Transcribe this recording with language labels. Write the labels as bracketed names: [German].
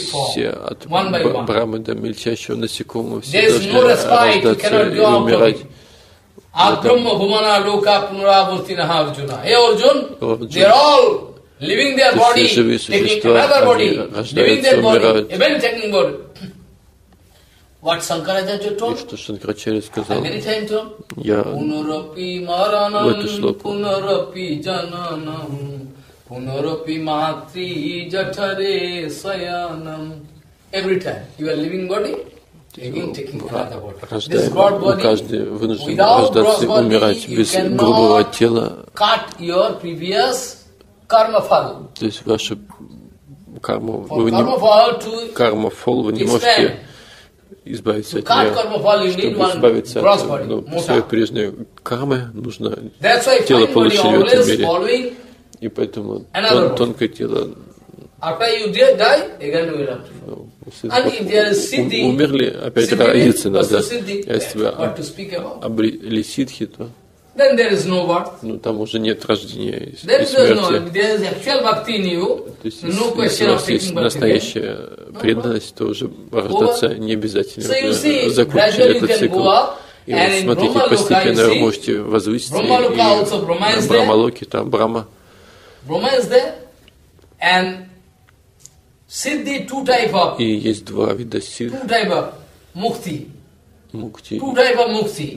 [Russian] все от Брахмы до мельчайшего насекомого все должны рождаться и умирать. [Sanskrit] Абрахма Хумана Лока Пунаравартина Арджуна. [English] Hey Arjuna, they are all living their body, taking another body, living their body, even taking body. What Shankaracharya told? И [Russian] что Шанкарачарья сказал? [English] And many times too. [Russian] Я [Sanskrit] Пунарапи маранам, [Russian] в эту слог. [Sanskrit] Пунарапи жананам, пунарапи матри жатаре саянам. [English] Every time. You are living body? [Russian] Каждый вынужден рождаться и умирать без грубого тела. То есть вашу карму, кармафол, вы не можете избавиться от нее. Чтобы избавиться от своей прежней кармы, нужно тело получить в этом мире. И поэтому тонкое тело. [English] After you die, again you will have to die. And if there is siddhi, siddhi, what to speak about? [Russian] Обрели сиддхи, то. [English] Then there is no what? [Russian] Ну там уже нет рождения и смерти. [English] There is no. There is actual bhakti in you. [Russian] То есть, [English] no question of taking bhakti. [Russian] Настоящая преданность, то уже рождаться не обязательно. [English] So you see, gradually you can go up. [Russian] И вот смотрите, постепенно вы можете возвыситься. [English] Брахмалока also, Брахма is there. [Russian] Брахмалоки там, Брахма. [English] Брахма is there. And siddhi two type of. [Russian] И есть два вида сиддхи. [English] Two type of мукти. [Russian] Мукти. [English] Two type of мукти.